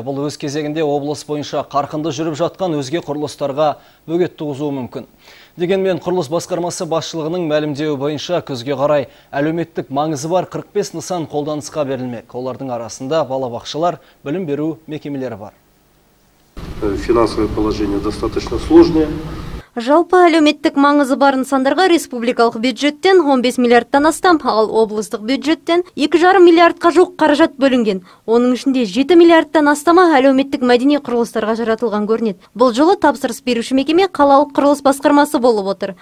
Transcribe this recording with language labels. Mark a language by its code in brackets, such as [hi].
[kk] Бұл өз кезегінде облыс бойынша қарқынды жүріп жатқан өзге құрылыстарға бөгет туғызуы мүмкін. Дегенмен құрылыс басқармасы басшылығының мәлімдеуі бойынша күзге қарай әлеуметтік маңызы бар 45 нысан қолданысқа берілмек. Олардың арасында балабақшалар, білім беру мекемелері бар. [ru] Финансовое положение достаточно сложное. [kk] Жалпы әлеуметтік маңызы бар нысандарға республикалық бюджеттен 15 миллиардтан астам, ал облыстық бюджеттен 2,5 миллиардқа жуық қаражат бөлінген. Оның ішінде 7 миллиардтан астамы әлеуметтік мәдени құрылыстарға жаратылған көрінеді. Бұл жолы тапсырыс беруші мекеме қалалық құрылыс басқармасы болып отыр.